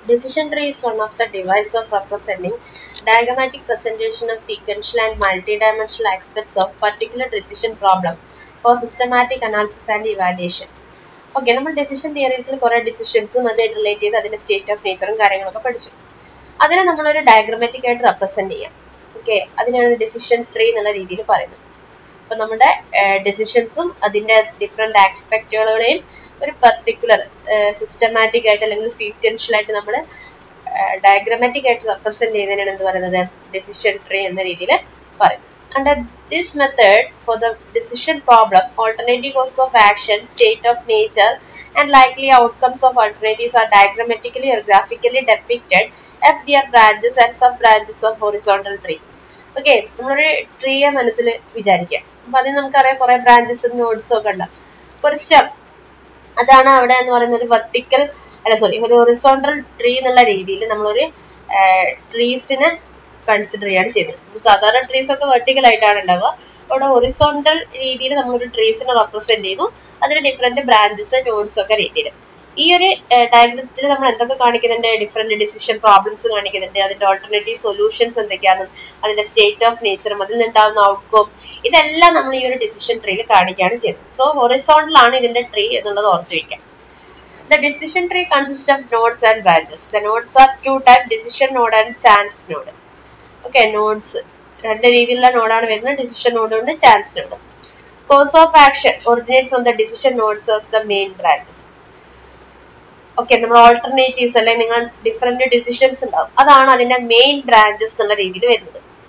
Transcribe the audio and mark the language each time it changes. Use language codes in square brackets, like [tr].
[en] Decision tree is one of the devices of representing diagrammatic presentation of sequential and multidimensional aspects of particular decision problem for systematic analysis and evaluation. [ml] Okay, നമ്മൾ decision തിയറീസിൽ കുറെ ഡിസിഷൻസും അതായത് relate ചെയ്ത് അതിൻ്റെ state of നേച്ചറും കാര്യങ്ങളൊക്കെ പഠിച്ചു. അതിനെ നമ്മളൊരു diagrammatic ആയിട്ട് റെപ്രസെൻറ്റ് ചെയ്യാം. ഓക്കെ, അതിനാണ് ഡിസിഷൻ ട്രീ എന്നുള്ള രീതിയിൽ പറയുന്നത്. അപ്പം നമ്മുടെ ഡിസിഷൻസും അതിൻ്റെ ഡിഫറെൻ്റ് ആസ്പെക്റ്റുകളെയും ഒരു പെർട്ടിക്കുലർ സിസ്റ്റമാറ്റിക് ആയിട്ട് അല്ലെങ്കിൽ സീക്വൻഷ്യൽ ആയിട്ട് നമ്മൾ ഡയഗ്രമാറ്റിക് ആയിട്ട് റെപ്രസെൻറ്റ് ചെയ്യുന്നതിനാണ് എന്ത് പറയുന്നത്, ഡിസിഷൻ ട്രീ എന്ന രീതിയിൽ പറയുന്നത്. [en] Under this method, for the decision problem, alternative course of action, state of nature, and likely outcomes of alternatives are diagrammatically or graphically depicted as their branches and sub-branches of horizontal tree. [ml] Okay, നമ്മളൊരു ട്രീയെ മനസ്സിൽ വിചാരിക്കാം. അപ്പൊ അതിന് നമുക്കറിയാം കുറെ ബ്രാഞ്ചസും നോഡ്സും ഒക്കെ ഉണ്ടാവും. ഒരു സ്റ്റെപ്പ് അതാണ് അവിടെ എന്ന് പറയുന്ന ഒരു വെർട്ടിക്കൽ അല്ല സോറി ഒരു ഹൊറിസോണ്ടൽ ട്രീ എന്നുള്ള രീതിയിൽ നമ്മളൊരു ട്രീസിന് കൺസിഡർ ചെയ്യാണ് ചെയ്യുന്നത്. സാധാരണ ട്രീസ് ഒക്കെ വെർട്ടിക്കൽ ആയിട്ടാണ് ഉണ്ടാവുക. അവിടെ ഹൊറിസോണ്ടൽ രീതിയിൽ നമ്മളൊരു ട്രീസിനെ റെപ്രസെന്റ് ചെയ്യുന്നു, അതിന് ഡിഫറെന്റ് ബ്രാഞ്ചസ് നോഡ്സ് ഒക്കെ രീതിയിൽ. ഈ ഒരു ഡയഗ്രത്തിൽ നമ്മൾ എന്തൊക്കെ കാണിക്കുന്നുണ്ട്, ഡിഫറെന്റ് ഡിസിഷൻ പ്രോബ്ലംസ് കാണിക്കുന്നുണ്ട്, അതിന്റെ ഓൾട്ടർനേറ്റീവ് സൊല്യൂഷൻസ് എന്തൊക്കെയാണെന്നും അതിന്റെ സ്റ്റേറ്റ് ഓഫ് നേച്ചറും അതിൽ നിന്നുണ്ടാവുന്ന ഔട്ട്കം ഇതെല്ലാം നമ്മൾ ഈ ഒരു ഡിസിഷൻ ട്രീയിൽ കാണിക്കുകയാണ് ചെയ്യുന്നത്. സോ ഹൊറിസോണ്ടൽ ആണ് ഇതിന്റെ ട്രീ എന്നുള്ളത് ഓർത്തു വയ്ക്കാം. [en] The decision tree consists of nodes and branches. The nodes are two types, decision node and chance node. Okay, nodes. [ml] രണ്ട് രീതിയിലുള്ള നോഡാണ് വരുന്നത്, ഡിസിഷൻ നോഡ് ഉണ്ട്, chance node. [en] Course of action originate from the decision nodes of the main branches. [ml] Okay, നമ്മൾ alternatives അല്ലെങ്കിൽ നിങ്ങൾ different decisions ഉണ്ടാവും, അതാണ് അതിന്റെ മെയിൻ ബ്രാഞ്ചസ് എന്നുള്ള രീതിയിൽ വരുന്നത്.